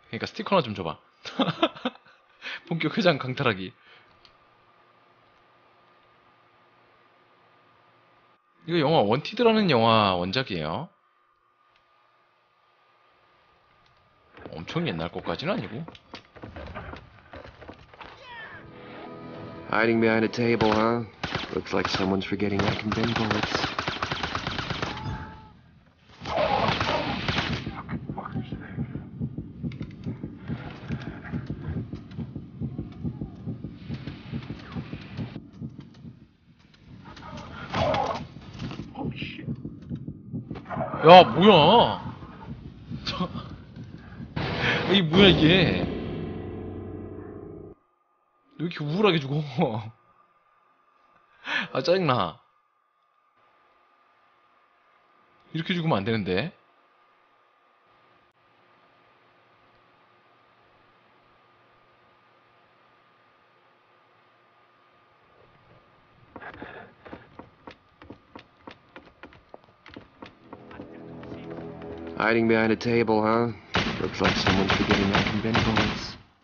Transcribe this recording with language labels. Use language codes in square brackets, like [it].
[ko] 그러니까 스티커나 좀 줘봐. 본격 회장 강탈하기. 이거 영화 원티드라는 영화 원작이에요. 엄청 옛날 것까지는 아니고. [en] Hiding behind a table, huh? Looks like someone's forgetting I can bend bullets. [ko] 야, 뭐야? 이게 뭐야 이게? 왜 이렇게 우울하게 죽어? 아 짜증나. 이렇게 죽으면 안 되는데. [en] 아이딩 비하인드 테이블, 하? Looks like someone's forgetting their conventions.